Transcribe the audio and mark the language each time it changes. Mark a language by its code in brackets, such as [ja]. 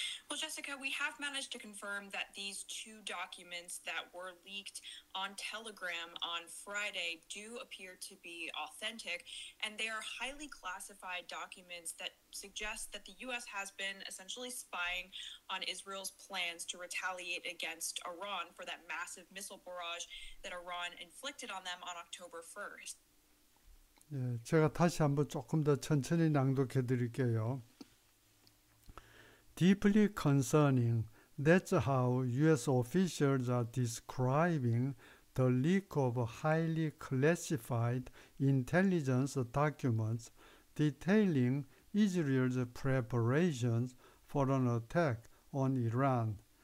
[en] Well, Jessica, we have managed to confirm that these two documents that were leaked on Telegram on Friday do appear to be authentic, and they are highly classified documents that suggest that the U.S. has been essentially spying on Israel's plans to retaliate against Iran for that massive missile barrage that Iran inflicted on them on October 1st. [ko] 예, 제가 다시 한번 조금 더 천천히 낭독해 드릴게요. [en] Deeply concerning. That's how US officials are describing the leak of highly classified intelligence documents detailing Israel's preparations for an attack on Iran.